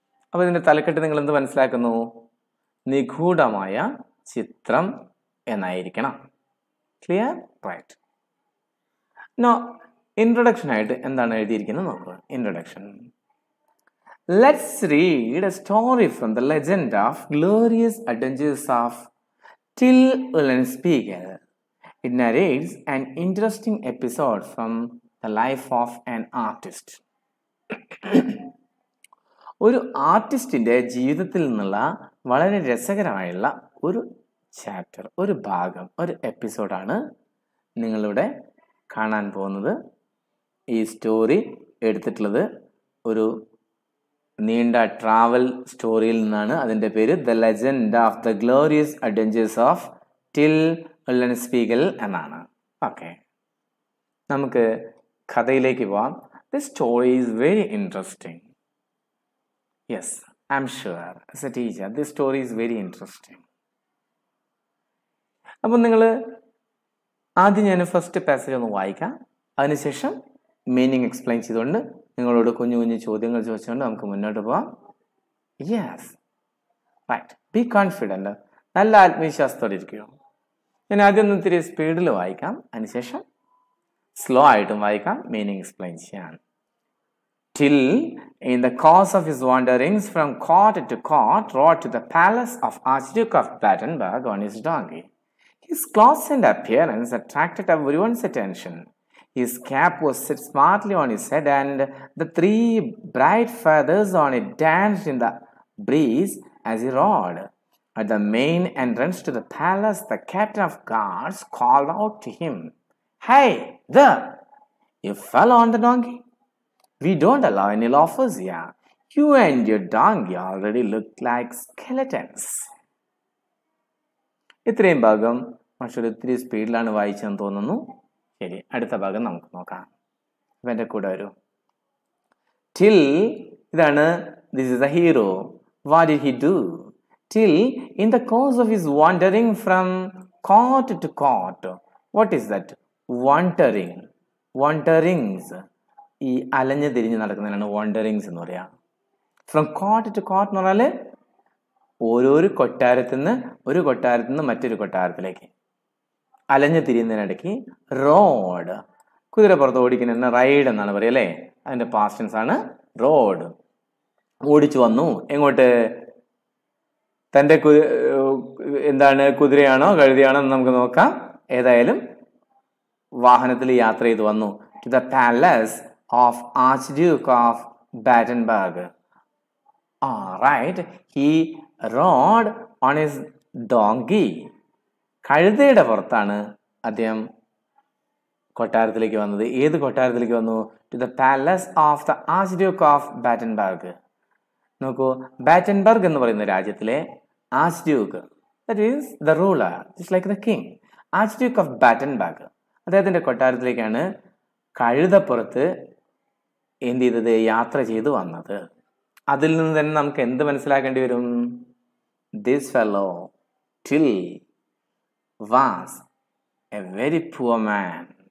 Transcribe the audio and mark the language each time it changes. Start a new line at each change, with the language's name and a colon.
Malayalam: അപ്പോൾ ഇതിൻ്റെ തലക്കെട്ട് നിങ്ങൾ എന്ത് മനസ്സിലാക്കുന്നു? നിഗൂഢമായ ചിത്രം എന്നായിരിക്കണം. ക്ലിയർ? റൈറ്റ്. നോ ഇൻട്രൊഡക്ഷനായിട്ട് എന്താണ് എഴുതിയിരിക്കുന്നത് നോക്കുക. Introduction.
English: Let's read a story from the legend of glorious adventures of Till Ulenspiegel. It narrates an interesting episode from the life of an artist.
Malayalam: ഒരു ആർട്ടിസ്റ്റിൻ്റെ ജീവിതത്തിൽ നിന്നുള്ള വളരെ രസകരമായുള്ള ഒരു ചാപ്റ്റർ, ഒരു ഭാഗം, ഒരു എപ്പിസോഡാണ് നിങ്ങളിവിടെ കാണാൻ പോകുന്നത്. ഈ സ്റ്റോറി എടുത്തിട്ടുള്ളത് ഒരു നീണ്ട ട്രാവൽ സ്റ്റോറിയിൽ നിന്നാണ്. അതിൻ്റെ പേര് the legend of the glorious adventures of till സ്പീഗൽ എന്നാണ്. ഓക്കെ, നമുക്ക് കഥയിലേക്ക് പോവാം.
English: This story is very interesting. Yes, I am sure as a teacher this story is very interesting.
Malayalam: അപ്പം നിങ്ങൾ ആദ്യം ഞാൻ ഫസ്റ്റ് പാസേജ് ഒന്ന് വായിക്കാം, അതിനുശേഷം മീനിങ് എക്സ്പ്ലെയിൻ ചെയ്തുകൊണ്ട് നിങ്ങളോട് കുഞ്ഞു കുഞ്ഞു ചോദ്യങ്ങൾ ചോദിച്ചുകൊണ്ട് നമുക്ക് മുന്നോട്ട് പോവാം.
English: Yes, right. Be confident,
Malayalam: നല്ല ആത്മവിശ്വാസത്തോടെ ഇരിക്കുക. ഞാൻ ആദ്യമൊന്നും ഇത്തിരി സ്പീഡിൽ വായിക്കാം, അതിനുശേഷം സ്ലോ ആയിട്ടും വായിക്കാം, മീനിങ് എക്സ്പ്ലെയിൻ ചെയ്യാൻ.
English: till in the course of his wanderings from court to court, rode to the palace of Archduke of Battenberg on his donkey. His clothes and appearance attracted everyone's attention. His cap was set smartly on his head, and the three bright feathers on it danced in the breeze as he rode. At the main entrance to the palace, the captain of guards called out to him, "Hey, there! You fell on the donkey? We don't allow any loafers here. You and your donkey already look like skeletons."
Malayalam: ഇത്രയും ഭാഗം മറ്റൊരു ഇത്തിരി സ്പീഡിലാണ് വായിച്ചെന്ന് തോന്നുന്നു. ശരി, അടുത്ത ഭാഗം നമുക്ക് നോക്കാം. ഇപ്പം എൻ്റെ കൂടെ വരൂ. Till, ഇതാണ്
English: This is the hero. What did he do? Till, in the course of his wandering from court to court. What is that? Wandering. Wanderings.
Malayalam: ഈ അലഞ്ഞു തിരിഞ്ഞ് നടക്കുന്നതിനാണ് വാണ്ടറിങ്സ് എന്ന് പറയാം.
English: from court to court
Malayalam: എന്ന് പറഞ്ഞാൽ ഓരോരോ കൊട്ടാരത്തിൽ നിന്ന് ഒരു കൊട്ടാരത്തിൽ നിന്ന് മറ്റൊരു കൊട്ടാരത്തിലേക്ക് അലഞ്ഞു തിരിയുന്നതിനിടയ്ക്ക്. റോഡ്, കുതിര പുറത്ത് ഓടിക്കുന്ന റൈഡ് എന്നാണ് പറയല്ലേ, അതിൻ്റെ പാസ്റ്റ് ടെൻസ് ആണ് റോഡ്. ഓടിച്ചു വന്നു എങ്ങോട്ട്? തൻ്റെ എന്താണ്, കുതിരയാണോ കഴുതിയാണോ എന്ന് നമുക്ക് നോക്കാം. ഏതായാലും വാഹനത്തിൽ യാത്ര ചെയ്ത് വന്നു.
English: To the palace of Archduke of Battenberg. Alright, he rode on his donkey.
Malayalam: കഴുതയുടെ പുറത്താണ് അദ്ദേഹം കൊട്ടാരത്തിലേക്ക് വന്നത്. ഏത് കൊട്ടാരത്തിലേക്ക് വന്നു?
English: To the palace of the Archduke of Battenberg.
Malayalam: നോക്കൂ, ബാറ്റൻബർഗ് എന്ന് പറയുന്ന രാജ്യത്തിലെ ആച്ച്ഡ്യൂക്ക്,
English: that means the ruler, just like the king,
Malayalam: ആച്ച്ഡ്യൂക്ക് of Battenberg, അദ്ദേഹത്തിൻ്റെ കൊട്ടാരത്തിലേക്കാണ് കഴുതപ്പുറത്ത് എന്ത് ചെയ്തത്, യാത്ര ചെയ്ത് വന്നത്. അതിൽ നിന്ന് തന്നെ നമുക്ക് എന്ത് മനസ്സിലാക്കേണ്ടി വരും?
English: This fellow Till was a very poor man.